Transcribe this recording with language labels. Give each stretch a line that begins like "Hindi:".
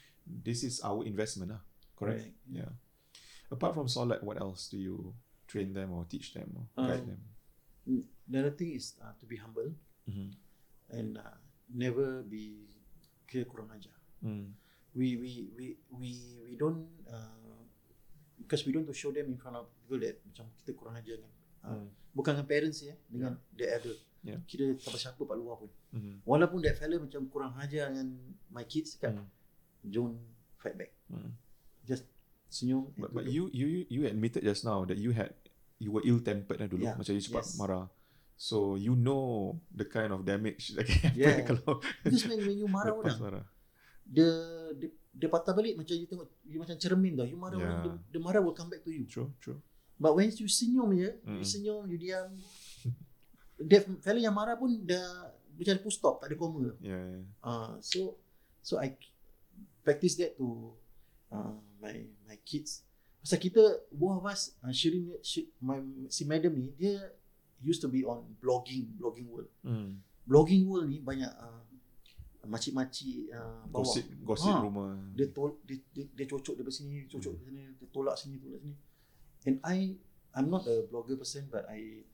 English: This is our investment lah. Correct? Right. Yeah. Apart from solat, what else do you train them or teach them or guide them? Another thing is to be humble. Mm-hmm. And never be
Malay: kira kurang ajar.
English: We don't because we don't to show them in front of people that
Malay: macam kita kurang ajar kan. Bukan dengan parents ya, dengan
English: the elder.
Malay: Kira siapa siapa kat luar pun. Walaupun
English: that fella
Malay: macam kurang ajar dengan
English: my kids
Malay: kan,
English: don't fight back. Just
Malay: senyum.
English: But you admitted just now that you were ill-tempered
Malay: dulu.
English: Yeah.
Malay: Macam you cepat marah.
English: So you know the kind of damage that can happen. Yeah.
Malay: Kalau
English: just when you
Malay: marah orang,
English: the
Malay: patah balik macam
English: you
Malay: tengok,
English: you
Malay: macam cermin dah.
English: You marah orang, the marah will come back to you. True. But when you
Malay: senyum ya, you senyum, you diam.
English: The fella
Malay: yang marah pun dah macam
English: full stop,
Malay: tak ada koma.
English: So I practice that to my kids.
Malay: Pasal kita,
English: both of us, Shirin,
Malay: si madam ni, dia
English: used to be on blogging world. Blogging world
Malay: ni banyak makcik-makcik bawa gosip rumah. Dia cocok dari sini, cocok dari sini, dia tolak sini, tolak sini.
English: And I'm not a blogger person, but I